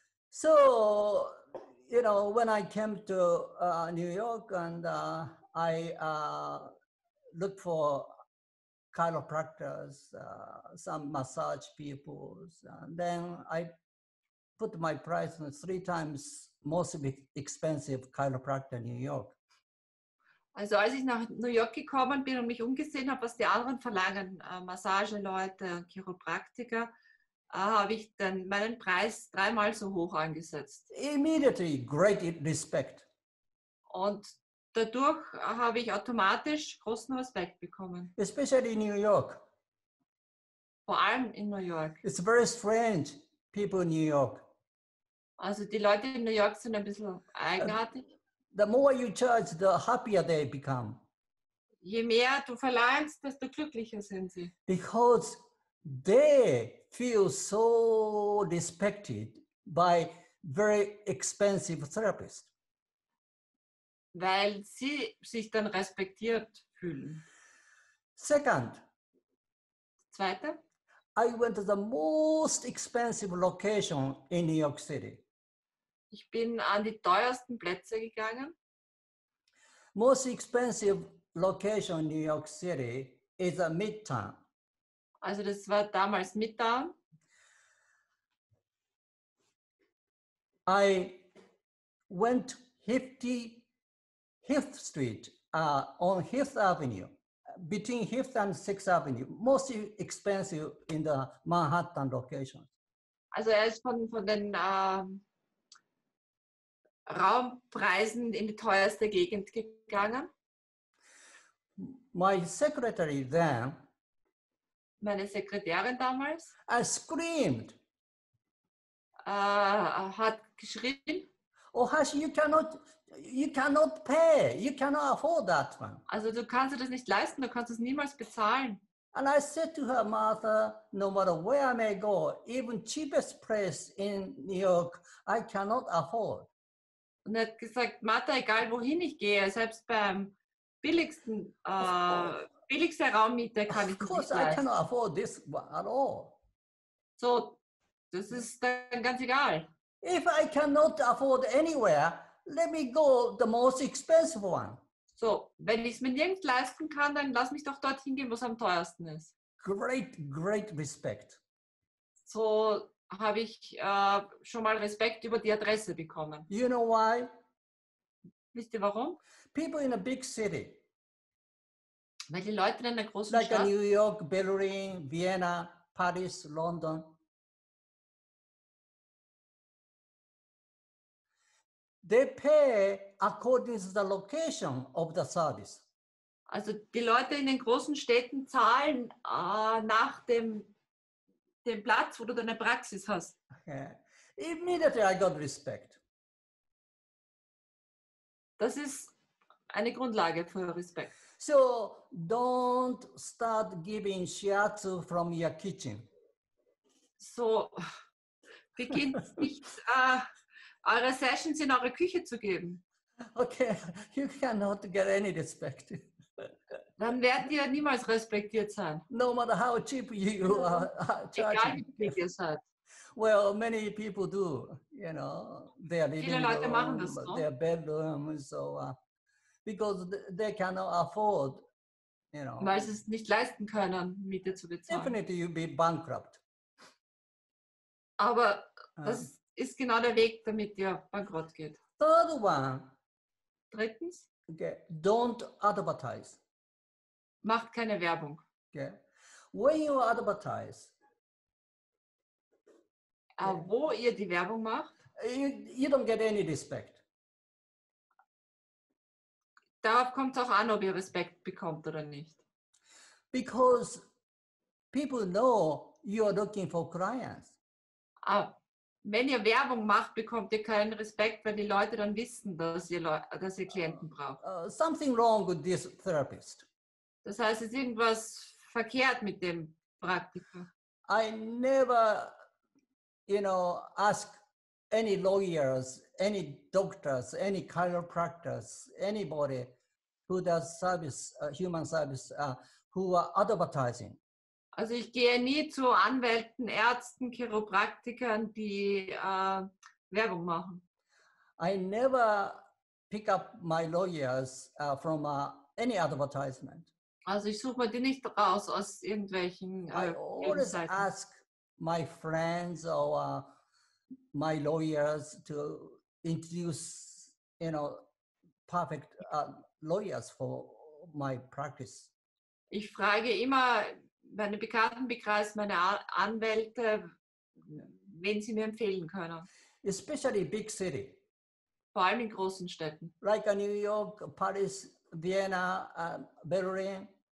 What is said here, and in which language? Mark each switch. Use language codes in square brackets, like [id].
[en] So, you know, when I came to New York and I looked for chiropractors, some massage people, and then I put my price on 3 times most expensive chiropractor in New York. [de] Also als ich nach New York gekommen bin und mich umgesehen habe, was die anderen verlangen, Massageleute, Chiropraktiker, habe ich dann meinen Preis 3-mal so hoch angesetzt. [en] Immediately great respect. [de] Und dadurch habe ich automatisch großen Respekt bekommen. [en] Especially in New York. [de] Vor allem in New York. [en] It's very strange, people in New York. [de] Also die Leute in New York sind ein bisschen eigenartig. [en] The more you charge, the happier they become. [de] Je mehr du verlangst, desto glücklicher sind sie. [en] Because they feel so respected by very expensive therapists. [de] Weil sie sich dann respektiert fühlen. [en] Second. [de] Zweite. [en] I went to the most expensive location in New York City. [de] Ich bin an die teuersten Plätze gegangen. [en] Most expensive location in New York City is a Midtown. [de] Also das war damals Midtown. [en] I went 55th Street on 5th Avenue, between 5th and 6th Avenue, most expensive in the Manhattan location. [de] Also er ist von den Raumpreisen in die teuerste Gegend gegangen. [en] My secretary then, [de] meine Sekretärin damals, [en] I screamed, [de] hat geschrien, [en] Ohashi, you cannot pay, you cannot afford that one. [de] Also du kannst das nicht leisten, du kannst es niemals bezahlen. [en] And I said to her, Martha, no matter where I may go, even cheapest place in New York, I cannot afford. [de] Und er hat gesagt, Martha, egal wohin ich gehe, selbst beim billigsten Raummieter kann ich nicht leisten. [en] Of course, I cannot afford this one at all. [de] So, das ist dann ganz egal. [en] If I cannot afford anywhere, let me go the most expensive one. [de] So, wenn ich es mir nirgends leisten kann, dann lass mich doch dorthin gehen, wo es am teuersten ist. [en] Great, great respect. [de] So habe ich schon mal Respekt über die Adresse bekommen. [en] You know why? [de] Wisst ihr warum? [en] People in a big city. [de] Weil die Leute in einer großen [en] like [de] Stadt. [en] Like New York, Berlin, Vienna, Paris, London. They pay according to the location of the service. [de] Also die Leute in den großen Städten zahlen nach dem Platz, wo du deine Praxis hast. [en] Okay. Immediately I got respect. [de] Das ist eine Grundlage für Respekt. [en] So don't start giving shiatsu from your kitchen. [de] So beginnt nicht eure Sessions in eure Küche zu geben. [en] Okay, you cannot get any respect. [de] Dann werdet ihr niemals respektiert sein. [en] No matter how cheap you are charging. [de] Egal, wie viel ihr seid. [en] Well, many people do, you know. They are living in their bedrooms, so because they cannot afford, you know. [de] Weil sie es nicht leisten können, Miete zu bezahlen. [en] Definitely you'll be bankrupt. [de] Aber das ist genau der Weg, damit ihr bankrott geht. [en] Third one. [de] Drittens. [en] Okay. Don't advertise. [de] Macht keine Werbung. [en] Okay. When you advertise. [de] Wo ihr die Werbung macht. [en] You don't get any respect. [de] Darauf kommt es auch an, ob ihr Respekt bekommt oder nicht. [en] Because people know you are looking for clients. [de] Wenn ihr Werbung macht, bekommt ihr keinen Respekt, weil die Leute dann wissen, dass ihr Klienten braucht. [en] Something wrong with this therapist. [de] Das heißt, es ist irgendwas verkehrt mit dem Praktiker. [en] I never, you know, ask any lawyers, any doctors, any chiropractors, anybody who does service, human service, who are advertising. [de] Also ich gehe nie zu Anwälten, Ärzten, Chiropraktikern, die Werbung machen. [en] I never pick up my lawyers from any advertisement. [de] Also ich suche mir die nicht raus aus irgendwelchen Webseiten. [en] I always ask my friends or my lawyers to introduce, you know, perfect lawyers for my practice. [de] Ich frage immer meine Bekanntenkreis, meine Anwälte, wen sie mir empfehlen können. [en] Especially big city. [de] Vor allem in großen Städten. [en] Like New York, Paris, Vienna, Berlin.